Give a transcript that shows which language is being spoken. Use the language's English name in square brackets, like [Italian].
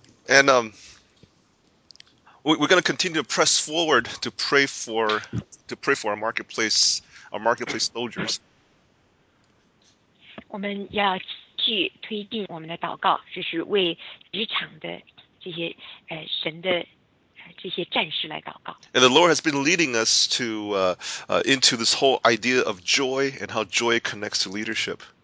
[English] And we're going to continue to press forward to pray for our marketplace, soldiers. [Chinese] 我们要去推进我们的祷告，就是为职场的这些神的这些战士来祷告。 [English] And the Lord has been leading us to into this whole idea of joy and how joy connects to leadership.